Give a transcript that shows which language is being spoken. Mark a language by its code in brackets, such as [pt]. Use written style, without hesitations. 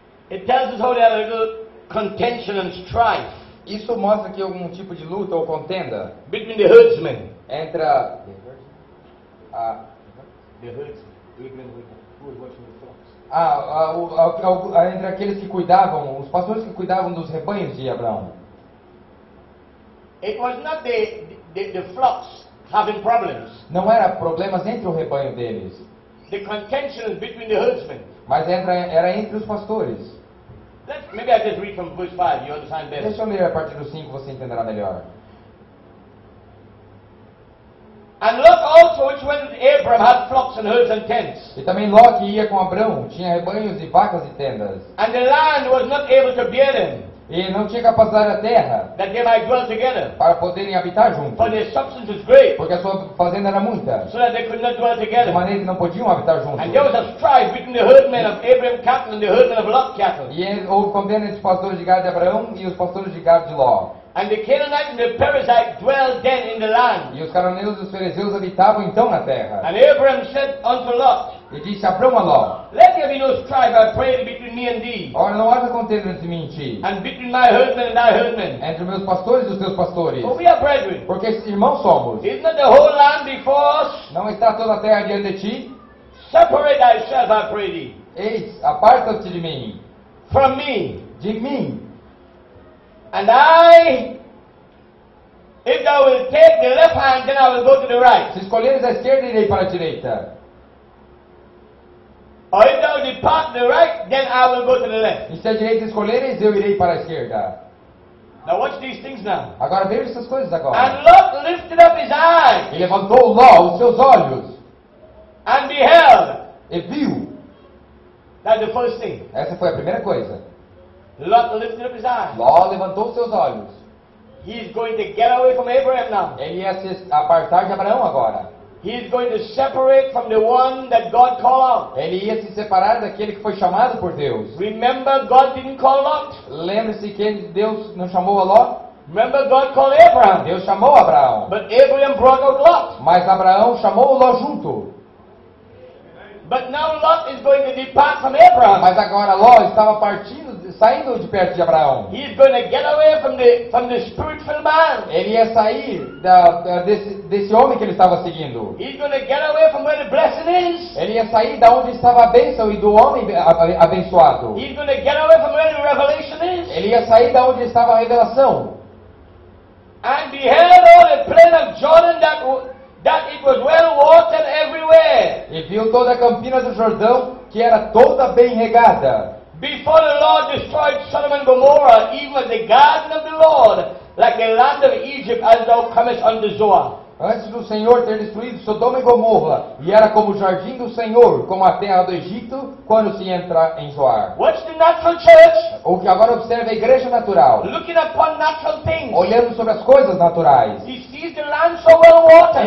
[en] It tells us how they had a little contention and strife. [pt] Isso mostra que algum tipo de luta ou contenda. [en] Between the herdsmen. [pt] Entre [en] the herdsmen. [pt] Entre aqueles que cuidavam, os pastores que cuidavam dos rebanhos de Abraão. [en] It was not the flocks having problems. [pt] Não era problemas entre o rebanho deles. [en] The contention between the herdsmen. [pt] Mas era entre os pastores. [en] Maybe I just read from verse 5, you understand better. [pt] Deixa eu ler a partir do 5, você entenderá melhor. [en] And Lot also, which went with Abram, had flocks and herds and tents. [pt] E também Ló que ia com Abraão tinha rebanhos e vacas e tendas. [en] And the land was not able to bear them. [pt] E não tinha capacidade da terra [en] that they might dwell together, [pt] para poderem habitar juntos. [en] For their substance was great, [pt] porque a sua fazenda era muita. [en] So that they could not dwell together. [pt] De maneira que não podiam habitar juntos. [en] And there was a strife between the herdmen of Abraham cattle and the herdmen of Lot cattle. [pt] E houve contenda entre os pastores de gado de Abraão e os pastores de gado de Ló. [en] And the Canaanites and the Perizzites dwelt then in the land. [pt] E os cananeus e os fariseus habitavam então na terra. [en] And Abraham said unto Lot. [pt] E disse Abraão a Ló. [en] Let there be no strife, I pray, between me and thee. [pt] Ora, não haja contenda entre mim e ti. [en] And between my herdmen and thy herdmen. [pt] Entre meus pastores e os teus pastores. [en] For we are brethren. [pt] Porque irmãos somos. [en] Is not the whole land before us? [pt] Não está toda a terra diante de ti? [en] Separate thyself, I pray thee. [pt] Eis, aparta-te de mim. [en] From me. [pt] De mim. [en] And I, if thou wilt take the left hand, then I will go to the right. [pt] Se escolheres a esquerda, irei para a direita. [en] Or if thou depart the right, then I will go to the left. [pt] E se a direita escolheres, eu irei para a esquerda. [en] Now watch these things now. [pt] Agora veja essas coisas agora. [en] And Lot lifted up his eyes. [pt] E levantou Ló os seus olhos. [en] And beheld. [pt] E viu. [en] That's the first thing. [pt] Essa foi a primeira coisa. [en] Lot lifted up his eyes. [pt] Ló levantou seus olhos. [en] He is going to get away from Abraham now. [pt] Ele ia se apartar de Abraão agora. [en] He is going to separate from the one that God called out. [pt] Ele ia se separar daquele que foi chamado por Deus. [en] Remember, God didn't call Lot. [pt] Lembre-se que Deus não chamou a Ló. [en] Remember, God called Abraham. [pt] Deus chamou Abraão. [en] But Abraham brought out Lot. [pt] Mas Abraão chamou Ló junto. [en] But now Lot is going to depart from Abraham. [pt] Mas agora Ló estava partindo, saindo de perto de Abraão. [en] He's going to get away from the spirit-filled man. [pt] Ele ia sair desse homem que ele estava seguindo. [en] He's going to get away from where the blessing is. [pt] Ele ia sair da onde estava a bênção e do homem abençoado. [en] He's going to get away from where the revelation is. [pt] Ele ia sair da onde estava a revelação. [en] And beheld all the plain of Jordan that it was well watered everywhere. [pt] E viu toda a campina do Jordão que era toda bem regada. [en] Before the Lord destroyed Sodom and Gomorrah, even the garden of the Lord, like the land of Egypt, as thou comest unto Zoar. [pt] Antes do Senhor ter destruído Sodoma e Gomorra, e era como o jardim do Senhor, como a terra do Egito, quando se entra em Zoar. [en] Watch the natural church. [pt] O que agora observa a igreja natural. [en] Looking upon natural things. [pt] Olhando sobre as coisas naturais. [en] He sees the land so well watered.